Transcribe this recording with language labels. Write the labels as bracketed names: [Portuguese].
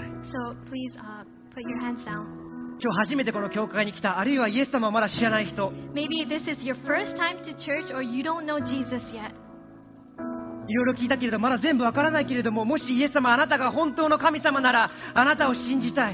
[English] So please, put your hands down. [Japanese] 今日初めてこの教会に来た、あるいはイエス様をまだ知らない人、 [English] Maybe this is your first time to church or you don't know Jesus yet. [Japanese] いろいろ聞いたけれどまだ全部わからないけれども、もしイエス様、あなたが本当の神様ならあなたを信じたい。